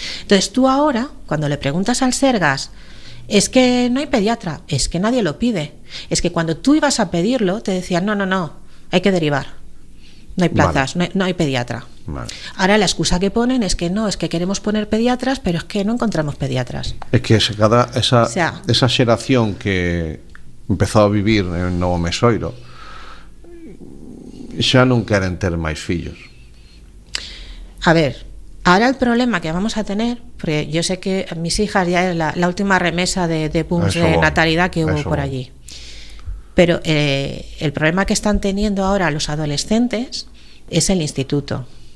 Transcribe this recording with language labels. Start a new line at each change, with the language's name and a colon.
Spanish: Entonces tú ahora, cuando le preguntas al Sergas, es que no hay pediatra, es que nadie lo pide. Es que cuando tú ibas a pedirlo, te decían, no, hay que derivar. No hay plazas, vale. no hay pediatra. Vale. Ahora la excusa que ponen es que no, es que queremos poner pediatras, pero es que no encontramos pediatras.
Galician: Es que esa xeración que empezó a vivir en Novo Mesoiro, xa non queren ter máis fillos.
Spanish: A ver, ahora el problema que vamos a tener, porque yo sé que mis hijas ya es la última remesa de booms de natalidad que hubo por allí. Pero el problema que están teniendo ahora los adolescentes es el instituto.